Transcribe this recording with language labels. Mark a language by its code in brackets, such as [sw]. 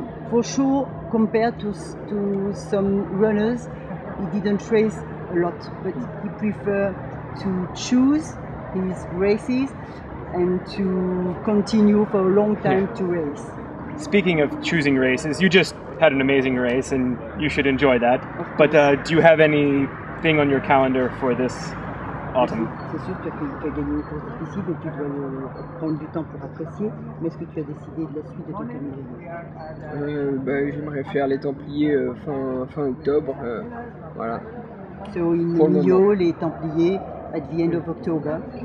[en] for sure, compared to some runners, he didn't race a lot, but he preferred to choose his races and to continue for a long time to race. Speaking of choosing races, you just had an amazing race and you should enjoy that. But do you have anything on your calendar for this autumn? [fr] C'est sûr que tu as gagné une course difficile et tu dois prendre du temps pour apprécier. Mais est-ce que tu as décidé de la suite de ton calendrier? J'aimerais faire les Templiers fin octobre. Voilà. [en] So in Rio, les Templiers at the end of October.